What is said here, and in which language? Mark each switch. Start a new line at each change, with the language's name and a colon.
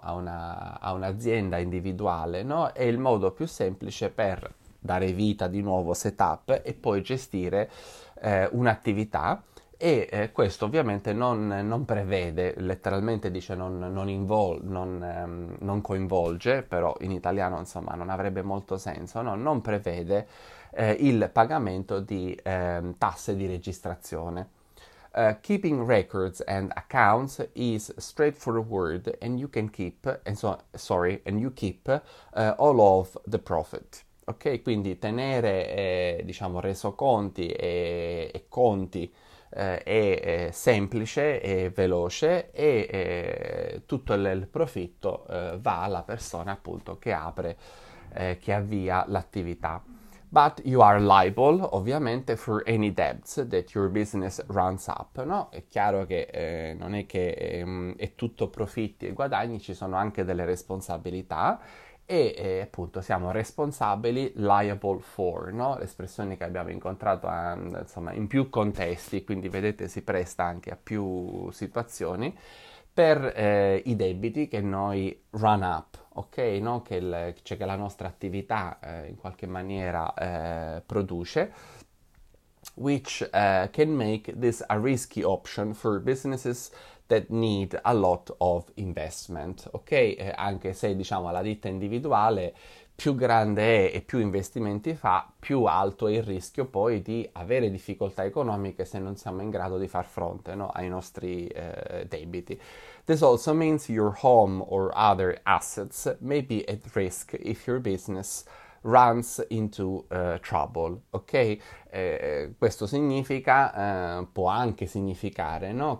Italian: A un'azienda individuale, no? È il modo più semplice per dare vita di nuovo setup e poi gestire un'attività e questo ovviamente non prevede, letteralmente dice non coinvolge, però in italiano insomma non avrebbe molto senso, no? Non prevede il pagamento di tasse di registrazione.
English: Keeping records and accounts is straightforward and you can keep, and so, sorry, and you keep all of the profit.
Italian: Ok, quindi tenere, diciamo, resoconti e conti è semplice e veloce e tutto il profitto va alla persona appunto che apre, che avvia l'attività.
English: But you are liable, ovviamente, for any debts that your business runs up, no?
Italian: È chiaro che non è che è tutto profitti e guadagni, ci sono anche delle responsabilità e appunto siamo responsabili, liable for, no? L'espressione che abbiamo incontrato insomma, in più contesti, quindi vedete si presta anche a più situazioni, per i debiti che noi run up.
English: Ok, no?
Italian: Che la nostra attività in qualche maniera produce,
English: which can make this a risky option for businesses that need a lot of investment.
Italian: Ok, anche se diciamo la ditta individuale più grande è e più investimenti fa, più alto è il rischio poi di avere difficoltà economiche se non siamo in grado di far fronte, no? Ai nostri debiti.
English: This also means your home or other assets may be at risk if your business runs into trouble. Ok?
Italian: Questo significa, può anche significare, no?